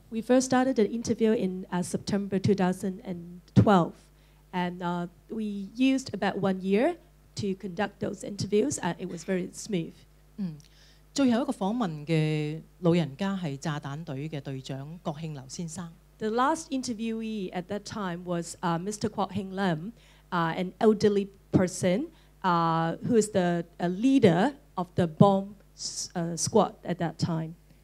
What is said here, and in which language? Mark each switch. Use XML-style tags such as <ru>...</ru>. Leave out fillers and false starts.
<en>We first started the interview in September 2012, and we used about 1 year to conduct those interviews, and it was very smooth.</en> <yue>最後一個訪問嘅老人家係炸彈隊嘅隊長郭慶劉先生。</yue> <en>The last interviewee at that time was Mr. Kwok Hing Lam, an elderly person who is the leader of the bomb squad at that time.</en>